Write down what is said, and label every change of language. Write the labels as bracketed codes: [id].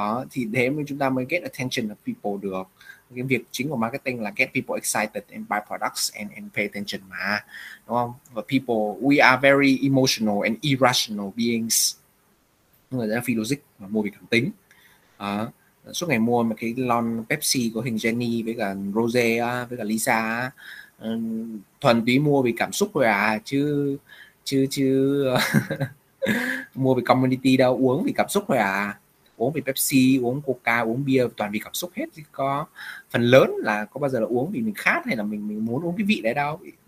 [vi] Thì thế mới chúng ta mới [en] get attention of people [vi] được. Cái việc chính của marketing là [en] get people excited and buy products and pay attention [vi] mà, đúng không? [en] Và people, we are very emotional and irrational beings. [vi] Người ta phi logic và mua vì cảm tính. Suốt ngày mua một cái lon Pepsi có hình Jenny với cả Rose với cả Lisa, thuần túy mua vì cảm xúc thôi à, chứ chứ chứ mua vì community đâu, uống vì cảm xúc thôi à, uống vì Pepsi, uống Coca, uống bia toàn vì cảm xúc hết, chứ có phần lớn là có bao giờ là uống vì mình khát hay là mình muốn uống cái vị đấy đâu.